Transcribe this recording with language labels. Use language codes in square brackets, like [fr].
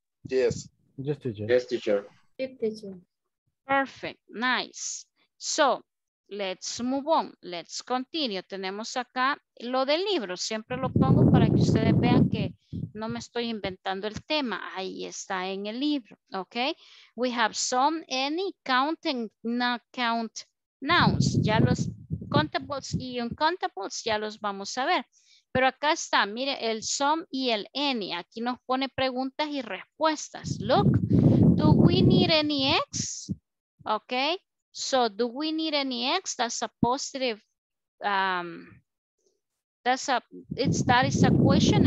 [en] Yes. Yes, teacher. Yes, teacher. Yes, teacher. Perfect. Nice. So, let's move on. Let's continue. [es] Tenemos acá lo del libro. Siempre lo pongo para que ustedes vean que no me estoy inventando el tema. Ahí está en el libro. Ok. [en] We have some, any, count and not count nouns. [es] Ya los countables y uncountables ya los vamos a ver. Pero acá está, mire, el some y el any. Aquí nos pone preguntas y respuestas. [en] Look, do we need any eggs? Ok, so do we need any eggs? That's a positive, that is a question.